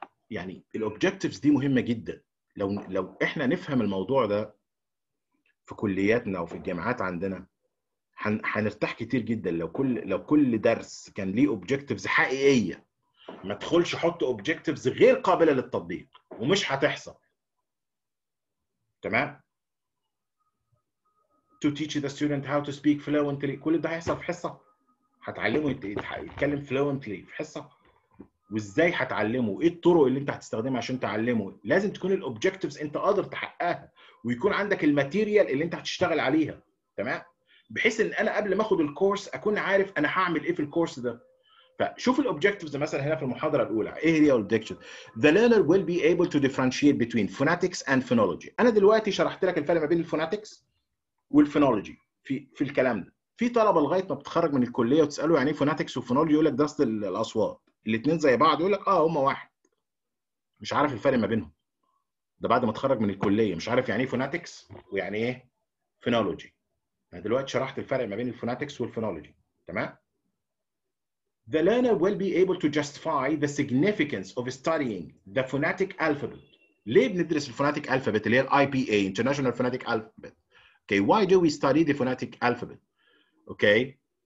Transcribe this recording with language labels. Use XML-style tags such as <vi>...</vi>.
<ar>يعني الobjectives دي مهمة جدا. لو احنا نفهم الموضوع ده في كلياتنا وفي الجامعات عندنا هنرتاح كتير جدا. لو كل درس كان ليه اوبجكتيفز حقيقيه, ما تدخلش حط اوبجكتيفز غير قابله للتطبيق ومش هتحصل.</ar> <en>تمام؟ To teach the student how to speak fluently,</en> <ar>كل ده هيحصل في حصه. هتعلمه يتكلم fluently في حصه. وازاي هتعلمه؟ ايه الطرق اللي انت هتستخدمها عشان تعلمه؟ لازم تكون الاوبجكتيفز انت قادر تحققها, ويكون عندك الماتيريال اللي انت هتشتغل عليها, تمام؟ بحيث ان انا قبل ما اخد الكورس اكون عارف انا هعمل ايه في الكورس ده. فشوف الاوبجكتيفز مثلا هنا في المحاضره الاولى, ايه هي الاوبجكتيف؟</ar> <en>The learner will be able to differentiate between phonetics and phonology.</en> <ar>انا دلوقتي شرحت لك الفرق ما بين الفونتكس والفونولوجي في الكلام ده. في طلبه لغايه ما بتخرج من الكليه وتساله يعني ايه فونتكس وفونولوجي, يقول لك درس الاصوات. الاثنين زي بعض, يقول لك هما واحد, مش عارف الفرق ما بينهم. ده بعد ما اتخرج من الكليه, مش عارف يعني ايه فوناتكس ويعني ايه فينولوجي. انا دلوقتي شرحت الفرق ما بين الفوناتكس والفينولوجي, تمام؟</ar> <en>The learner will be able to justify the significance of studying the phonetic alphabet.</en> <ar>ليه بندرس الفوناتيك الفابت اللي هي الاي بي اي, انترناشونال فوناتيك الفابت؟ اوكي,</ar> <en>why do we study the phonetic alphabet؟</en> <ar>اوكي.</ar>